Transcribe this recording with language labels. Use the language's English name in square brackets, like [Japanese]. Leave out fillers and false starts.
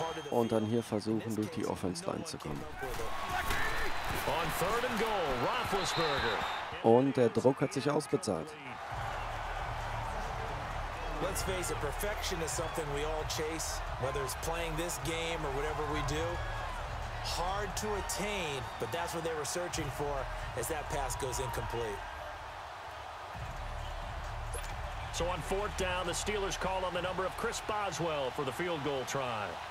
[German] Und dann hier versuchen, durch die Offense reinzukommen. [English] On third and goal, Roethlisberger. [German] Und der Druck hat sich ausbezahlt. [English] Let's face it, perfection is something we all chase, whether it's playing this game or whatever we do. Hard to attain, but that's what they were searching for as that pass goes incomplete. So on fourth down, the Steelers call on the number of Chris Boswell for the field goal try.